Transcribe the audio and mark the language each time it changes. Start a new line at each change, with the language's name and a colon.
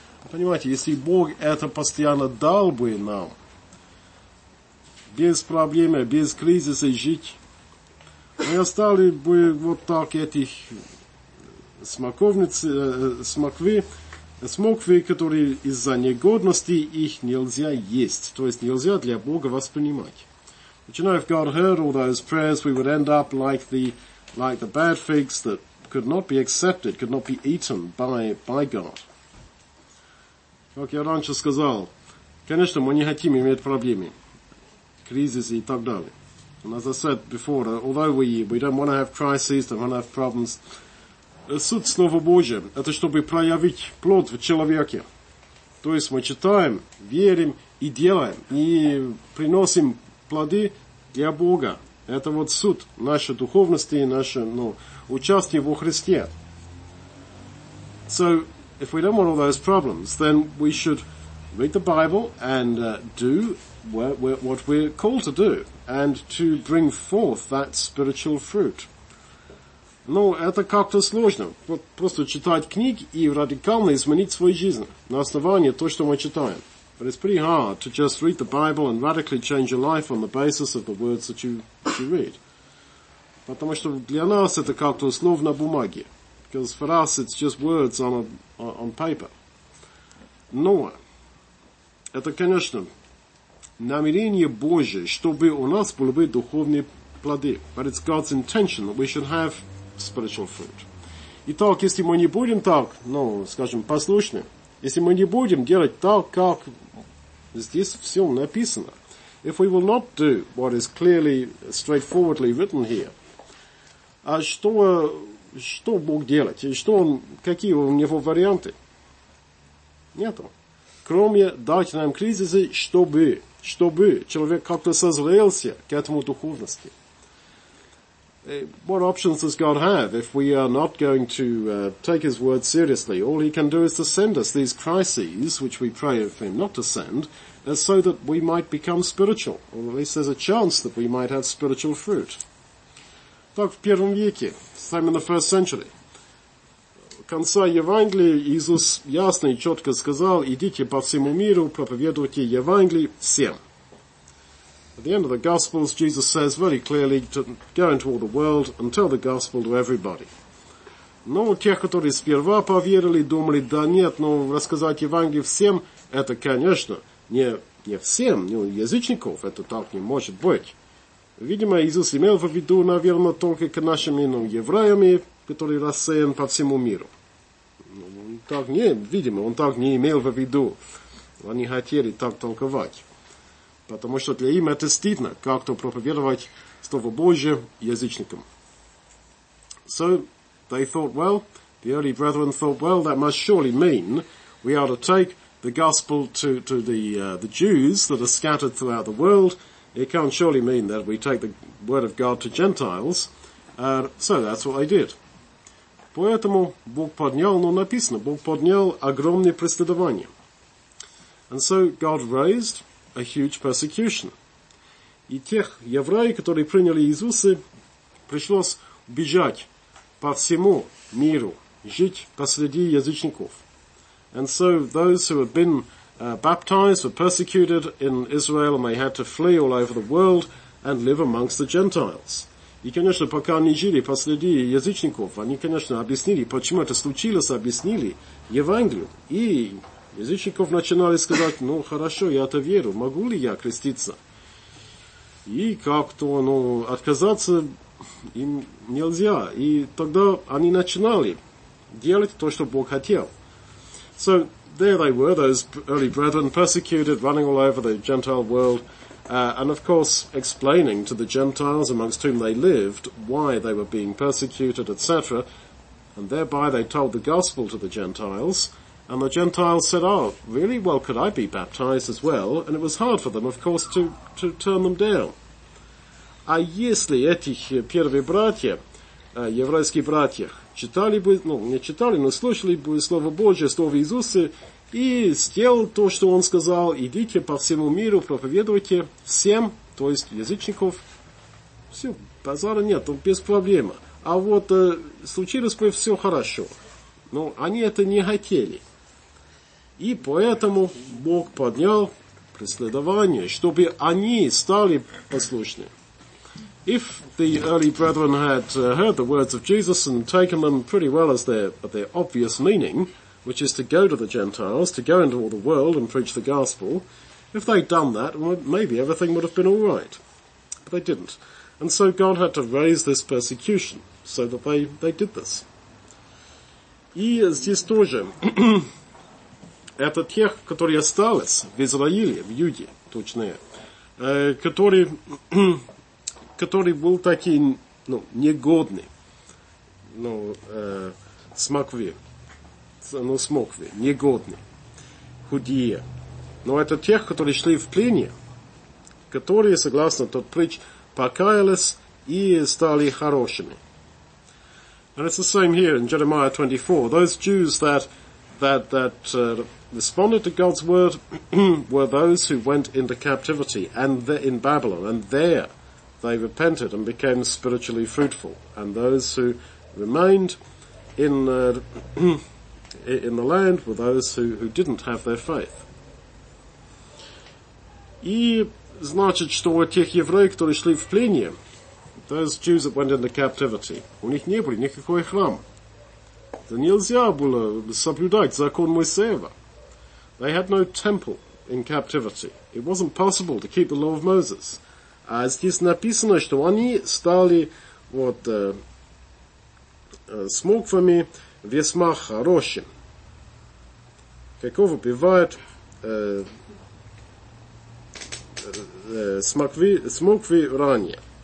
Russian: Понимаете, если Бог это постоянно дал бы нам, без проблем, без кризиса жить, мы остались бы вот так этих смоквы, которые из-за негодности их нельзя есть, то есть нельзя для Бога воспринимать.
English: But you know, if God heard all those prayers, we would end up like the bad figs that could not be accepted, could not be eaten by God.
Russian: Как я раньше сказал, конечно, мы не хотим иметь проблемы, кризисы и так далее.
English: And as I said before, although we don't want to have crises, don't want to have problems,
Russian: суть Слова Божия – это чтобы проявить плод в человеке. То есть мы читаем, верим и делаем, и приносим плоды для Бога. Это вот суд нашей духовности и наше, ну, участие во Христе.
English: So, if we don't want all those problems, then we should read the Bible and do what we're called to do, and to bring forth that spiritual fruit.
Russian: Ну, это как-то сложно. Вот просто читать книги и радикально изменить свою жизнь на основании того, что мы читаем.
English: But it's pretty hard to just read the Bible and radically change your life on the basis of the words that you read.
Russian: Потому что для нас это как-то слово на бумаге.
English: Because for us it's just words on paper.
Russian: Но это, конечно, намерение Божие, чтобы у нас были бы духовные плоды.
English: But it's God's intention that we should have spiritual fruit.
Russian: Итак, если мы не будем так, ну, скажем, послушны, если мы не будем делать так, как здесь все написано.
English: If we will not do what is clearly, straightforwardly written here,
Russian: а что Бог делает? И что он, какие у него варианты? Нету. Кроме дать нам кризисы, чтобы человек как-то созрелся к этому духовности.
English: What options does God have if we are not going to take his word seriously? All he can do is to send us these crises, which we pray for him not to send, so that we might become spiritual, or at least there's a chance that we might have spiritual fruit.
Russian: Так, в первом веке,
English: same in the first century,
Russian: конца Евангелия Иисус ясно и четко сказал: идите по всему миру, проповедуйте Евангелие всем.
English: At the end of the Gospels, Jesus says very clearly to go into all the world and tell the gospel to everybody.
Russian: Но те, которые сперва поверили, думали, да нет, но рассказать Евангелие всем, это, конечно, не всем, не у язычников, это так не может быть. Видимо, Иисус имел в виду, наверное, только к нашими, ну, евреями, которые рассеяны по всему миру. Ну, так не, видимо, он так не имел в виду. Они хотели так толковать. Потому что для им это стыдно, как-то проповедовать Слово Божие язычникам.
English: So, they thought, well, the early brethren thought, well, that must surely mean we are to take the gospel to the Jews that are scattered throughout the world. It can't surely mean that we take the word of God to Gentiles. So that's what they did.
Russian: Поэтому Бог поднял, но написано, Бог поднял огромное преследование.
English: And so God raised a huge persecution.
Russian: И тех евреев, которые приняли Иисуса, пришлось бежать по всему миру, жить посреди язычников.
English: And so those who had been baptized were persecuted in Israel, and they had to flee all over the world and live amongst the Gentiles.
Russian: И, конечно, пока они жили посреди язычников, они, конечно, объяснили, почему это случилось, объяснили Евангелию. И язычников начинали сказать, ну, хорошо, я это верю, могу ли я креститься? И как-то, ну, отказаться им нельзя. И тогда они начинали делать то, что Бог хотел.
English: So there they were, those early brethren, persecuted, running all over the Gentile world, and of course explaining to the Gentiles amongst whom they lived why they were being persecuted, etc. And thereby they told the gospel to the Gentiles, and the Gentiles said, oh, really? Well, could I be baptized as well? And it was hard for them, of course, to turn them down.
Russian: А если этих первых братьев, еврейских братьев, читали бы, ну, не читали, но слышали бы Слово Божие, Слово Иисуса, и сделал то, что Он сказал, идите по всему миру, проповедуйте всем, то есть язычников, все, базара нет, без проблем. А вот случилось бы все хорошо. Но они это не хотели. И поэтому Бог поднял преследование, чтобы они стали послушны.
English: If the early brethren had heard the words of Jesus and taken them pretty well as their obvious meaning, which is to go to the Gentiles, to go into all the world and preach the gospel, if they'd done that, well, maybe everything would have been all right. But they didn't. And so God had to raise this persecution so that they did this.
Russian: И здесь тоже это тех, которые остались в Израиле, в Юде, точнее, которые... который был таки, ну, негодный, ну, смокви, негодный, худие. Но это тех, которые шли в плене, которые, согласно тот притч, покаялись и стали хорошими.
English: And it's the same here in Jeremiah 24. Those Jews that responded to God's word were those who went into captivity and in Babylon, and there they repented and became spiritually fruitful. And those who remained in the land were those who didn't have their faith.
Russian: И значит, что у тех евреев, которые шли в плене,
English: those Jews that went into captivity,
Russian: у них не было никакой храм. Да нельзя было соблюдать закон Моисеева.
English: They had no temple in captivity. It wasn't possible to keep the law of Moses.
Russian: А здесь написано, что они стали вот смоквами весьма хорошим. Какого бывают смокви ранее.